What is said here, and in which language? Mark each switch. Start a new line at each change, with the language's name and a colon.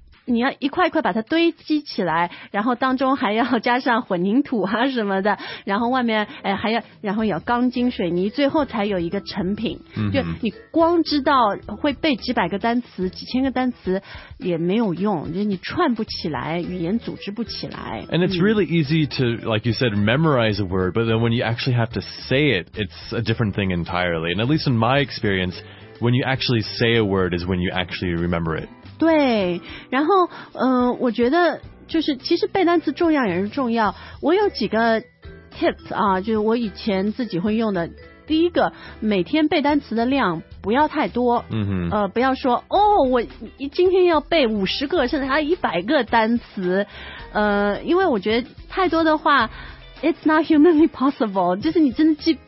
Chinese: 你要一块一块把它堆积起来然后当中还要加上混凝土啊什么的然后外面还要然后有钢筋水泥最后才有一个成品就你光知道会背几百个单词几千个单词也没有用就是你串不起来语言组织不起来
English: And it's really easy to like you said memorize a word but then when you actually have to say it it's a different thing entirely and at least in my experience when you actually say a word is when you actually remember it
Chinese: 对然后我觉得就是其实背单词重要也是重要我有几个 tips 啊就是我以前自己会用的第一个每天背单词的量不要太多不要说哦我今天要背50个甚至还100个单词因为我觉得太多的话
English: it's not humanly possible
Chinese: 就是你真的记